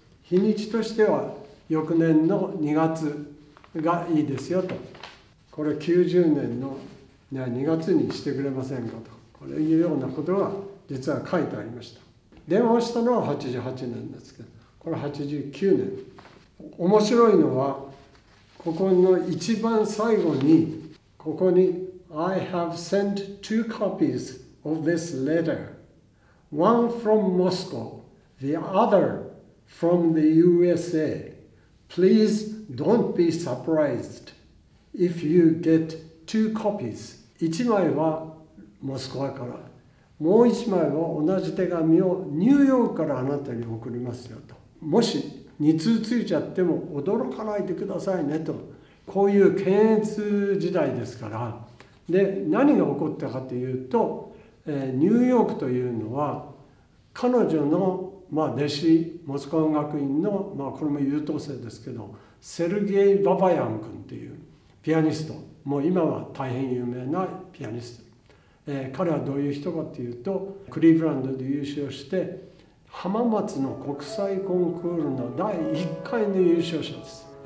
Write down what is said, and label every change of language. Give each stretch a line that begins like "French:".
Japanese: 日にちとしては翌年の2月がいいですよと、これ90年の2月にしてくれませんかと、これいうようなことが実は書いてありました。電話したのは88年ですけど、これ89年。面白いのはここの一番最後に、ここに
English: I have sent two copies of this letter, one from Moscow, the other from the USA. Please don't be surprised if you get two copies.
Japanese: 一枚はモスクワから、もう一枚は同じ手紙をニューヨークからあなたに送りますよと。もし2通ついちゃっても驚かないでくださいねと、こういう検閲時代ですから。で、何が起こったかというと、ニューヨークというのは彼女の、まあ、弟子、モスクワ音楽院の、まあ、これも優等生ですけど、セルゲイ・ババヤン君というピアニスト、もう今は大変有名なピアニスト、彼はどういう人かというと、クリーブランドで優勝して浜松の国際コンクールの第1回の優勝者です。